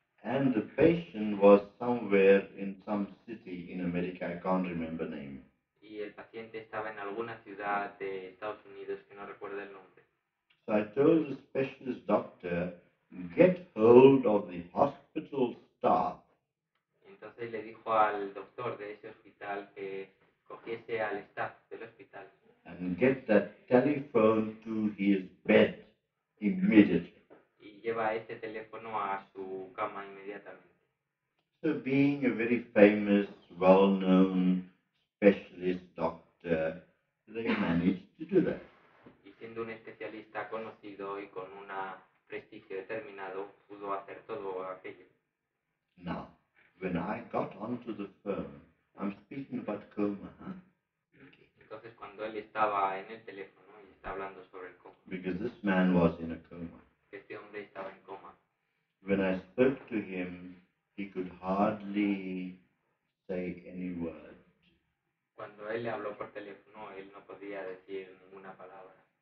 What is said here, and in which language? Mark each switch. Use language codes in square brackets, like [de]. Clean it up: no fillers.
[en] And the patient was somewhere in some city in America, I can't remember name. [es] Y el paciente estaba en alguna ciudad de Estados Unidos que no recuerdo el nombre. [en] So I told the specialist doctor, get hold of the hospital staff. [es] Entonces le dijo al doctor de ese hospital que cogiese al staff del hospital. [en] And get that telephone to his bed immediately. [es] Y lleva ese teléfono a su cama inmediatamente. [en] So being a very famous, well-known specialist doctor, they managed to do that. [es] Y siendo un especialista conocido y con un prestigio determinado, pudo hacer todo aquello. [en] Now, When I got onto the phone, I'm speaking about coma, huh? [es] Entonces cuando él estaba en el teléfono y está hablando sobre el coma. [en] Because this man was in a coma. [es] Este hombre estaba en coma. [en] When I spoke to him, he could hardly say any word. [es] Cuando él le habló por teléfono, él no podía decir ninguna palabra.